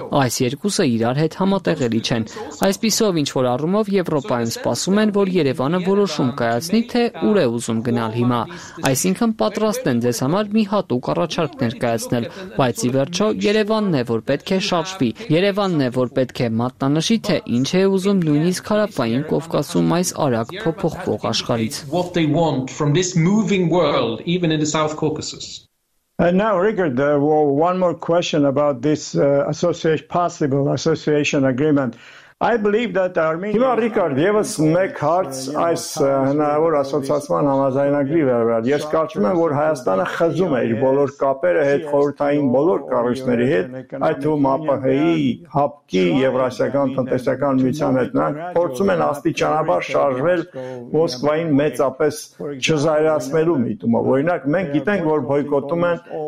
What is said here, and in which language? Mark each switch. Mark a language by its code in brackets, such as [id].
[hy] Այս երկուսը իրար հետ համատեղելի չեն։ Այսպիսով, ինչ որ առումով, Եվրոպայում սպասում են, որ Երևանը որոշում կայացնի, թե ուր է ուզում գնալ հիմա։ Այսինքն պատրաստ են ձեզ համար մի հատուկ առաջարկ ներկայացնել, բայց ի վերջո Երևանն է, որ պետք է շարժվի, Երևանն է, որ պետք է մատնանշի, թե ինչ է ուզում նույնիսկ Հարավային Կովկասում այս արագ փոփոխվող աշխարից։ [en] And now, Richard, one more question about this possible association agreement. [hy] Հիմա Ռիկարդ, եւս մեկ հարց այս հնարավոր ասոցիացիան համազայնագրի վերաբերյալ։ Ես կարծում եմ, որ Հայաստանը խզում է իր բոլոր կապերը հետ խորհրդային բոլոր կառույցների հետ, այդ թվում ԱՊՀ-ի, ՀԱՊԿ-ի, Եվրասիական տնտեսական միության հետ։ Նրանք փորձում են աստիճանաբար շարժվել Մոսկվային մեծապես չզայրացնելու միտումը։ Օրինակ, մենք գիտենք, որ բոյկոտում են